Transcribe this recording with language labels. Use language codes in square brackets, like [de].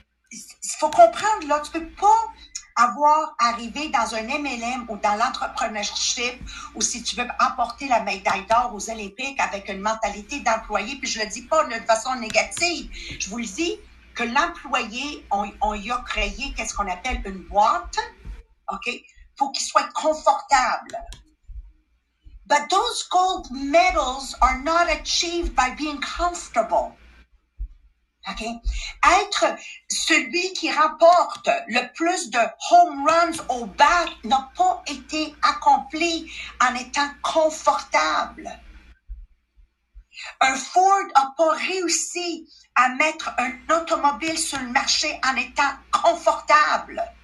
[fr] Il faut comprendre. Là, tu ne peux pas avoir arrivé dans un MLM ou dans l'entrepreneurship ou si tu veux emporter la médaille d'or aux Olympiques avec une mentalité d'employé, puis je le dis pas de façon négative, je vous le dis que l'employé, on y a créé qu'est-ce qu'on appelle une boîte, OK, pour qu'il soit confortable. [en] But those gold medals are not achieved by being comfortable. OK? [fr] Être celui qui remporte le plus de home runs au bat n'a pas été accompli en étant confortable. Un Ford n'a pas réussi à mettre un automobile sur le marché en étant confortable.